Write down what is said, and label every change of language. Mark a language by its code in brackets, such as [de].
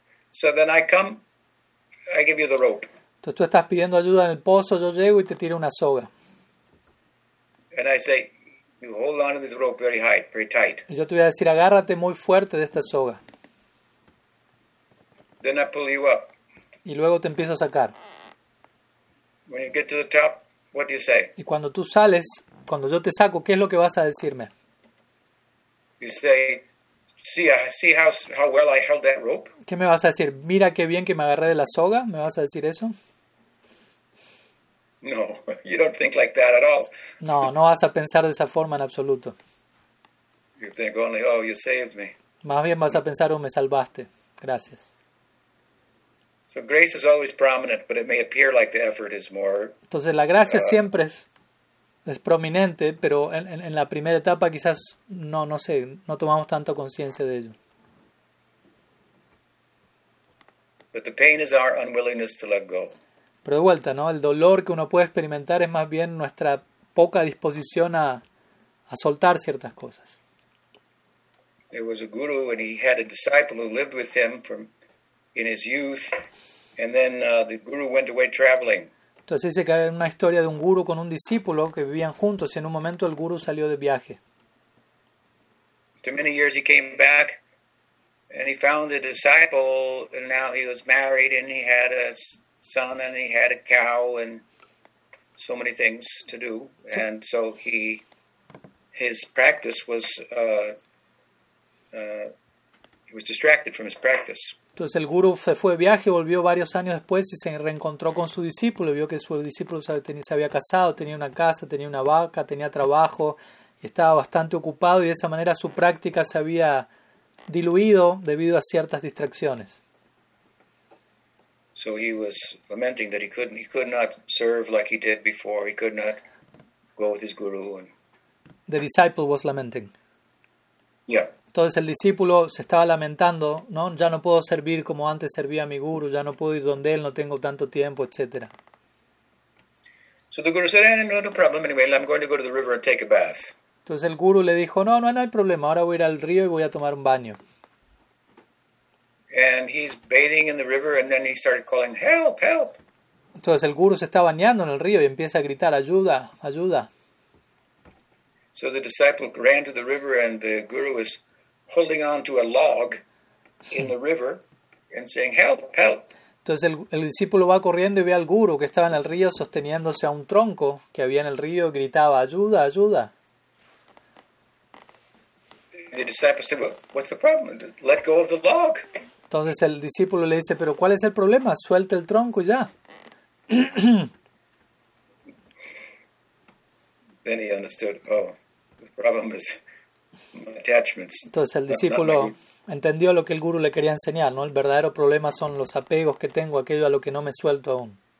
[en] So then I come, I give you the rope. [es] Entonces tú estás pidiendo ayuda en el pozo, yo llego y te tiro una soga. [en] And I say, you hold on to this rope very high, very tight. [es] Y yo te voy a decir, agárrate muy fuerte de esta soga. [en] Then I pull you up. [es] Y luego te empiezo a sacar. [en] When you get to the top, what do you say? [es] Y cuando tú sales, cuando yo te saco, ¿qué es lo que vas a decirme? [en] You say, see how well I held that rope. [es] ¿Qué me vas a decir? Mira qué bien que me agarré de la soga. ¿Me vas a decir eso? [en] No, you don't think like that at all. [es] No, no vas a pensar de esa forma en absoluto. [en] You think only, oh, you saved me. [es] Más bien vas a pensar, oh, me salvaste. Gracias. [en] So grace is always prominent, but it may appear like the effort is more. [es] Entonces la gracia siempre es prominente, pero en la primera etapa quizás no tomamos tanta conciencia de ello. [en] But the pain is our unwillingness to let go. [es] Pero de vuelta, ¿no? El dolor que uno puede experimentar es más bien nuestra poca disposición a soltar ciertas cosas. [en] There was a guru and he had a disciple who lived with him in his youth, and then the guru went away traveling. [es] Entonces dice que hay una historia de un guru con un discípulo que vivían juntos y en un momento el guru salió de viaje. [en] After many years he came back and he found a disciple and now he was married and he had a son and he had a cow and so many things to do. And so his practice was, he was distracted from his practice. [es] Entonces el gurú se fue de viaje, volvió varios años después y se reencontró con su discípulo. Vio que su discípulo se había casado, tenía una casa, tenía una vaca, tenía trabajo, y estaba bastante ocupado y de esa manera su práctica se había diluido debido a ciertas distracciones. [en] So he was lamenting that he could not serve like he did before. He could not go with his guru. And the disciple was lamenting. Yeah. [es] Entonces el discípulo se estaba lamentando, ¿no? Ya no puedo servir como antes servía a mi guru, ya no puedo ir donde él, no tengo tanto tiempo, etc. [en] So the guru said, no problem anyway, I'm going to go to the river and take a bath. [es] Entonces el guru le dijo, no hay problema, ahora voy a ir al río y voy a tomar un baño. [en] And he's bathing in the river and then he started calling, help, help. [es] Entonces el guru se está bañando en el río y empieza a gritar, ayuda, ayuda. [en] So the disciple ran to the river and the guru is holding on to a log in the river and saying, help, help. [es] Entonces el discípulo va corriendo y ve al guru que estaba en el río sosteniéndose a un tronco que había en el río y gritaba, ayuda, ayuda. [en] The disciple said, well, what's the problem? Let go of the log. [es] Entonces el discípulo le dice, pero ¿cuál es el problema? Suelta el tronco y ya. [en] Then he understood, oh, the problem is attachments. [es] Entonces el discípulo entendió lo que el guru le quería enseñar, ¿no? El verdadero problema son los apegos que tengo, aquello a lo que no me suelto aún.